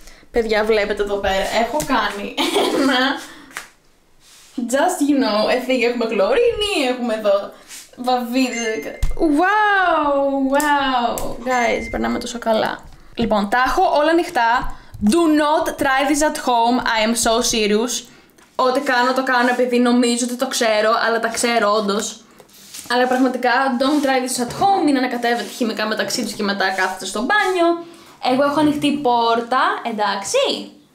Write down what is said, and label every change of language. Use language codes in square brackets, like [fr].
[el] Παιδιά, βλέπετε εδώ πέρα. Έχω κάνει ένα... [en] Just you know, I think [el] έχουμε χλωρίνη, έχουμε εδώ βαβίδι. Wow, wow. Guys, περνάμε τόσο καλά. Λοιπόν, τα έχω όλα ανοιχτά. [en] Do not try this at home. I am so serious. [el] Ό,τι κάνω, το κάνω επειδή νομίζω ότι το ξέρω, αλλά τα ξέρω όντως. Αλλά πραγματικά, [en] don't try this at home. [el] Μην ανακατεύετε χημικά μεταξύ τους και μετά κάθεστε στο μπάνιο. Εγώ έχω ανοιχτή πόρτα, εντάξει.